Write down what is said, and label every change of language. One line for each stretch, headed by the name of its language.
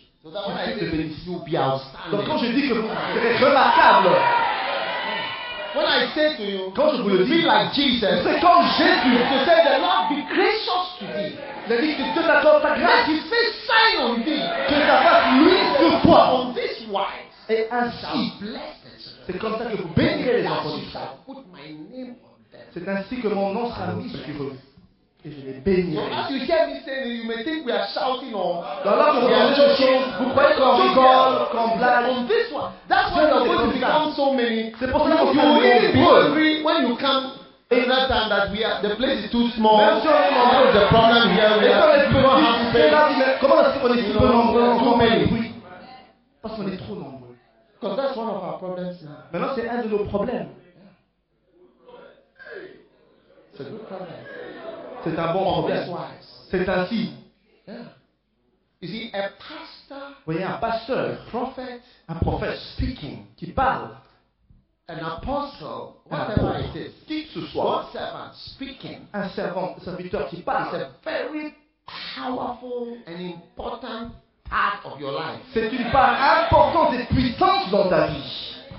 English: So that when I say this, you'll be outstanding.
French: Donc quand je dis que vous serez remarquable,
English: when I say to you,
French: quand je vous le dis,
English: be like Jesus,
French: c'est comme Jésus.
English: To say the Lord be gracious to thee.
French: Il a dit que Dieu t'accorde ta grâce. Que ta face luise sur toi. Et ainsi, c'est comme ça que vous bénirez les enfants d'Israël. C'est ainsi que mon nom sera mis sur eux. Et je les bénirai. Donc là, vous voyez des choses. Vous croyez qu'on rigole, qu'on blague. C'est pour ça que vous êtes comme
English: so many.
French: C'est pour ça que vous êtes beaucoup.
English: In that time that we are, the place is too small. What is the problem here? We are too many.
French: Parce qu'on est trop nombreux.
English: Because that's one of our problems now.
French: Maintenant, c'est un de nos problèmes. C'est un bon problème. C'est un bon problème. C'est ainsi.
English: Yeah. You see, a pastor,
French: vous voyez, un pasteur, un prophète
English: speaking,
French: qui parle,
English: an apostle, whatever it is,
French: qui que ce soit,
English: God's servant speaking,
French: un servant, un serviteur qui parle,
English: is a very powerful and important part of your life.
French: C'est une part importante et puissante dans ta vie.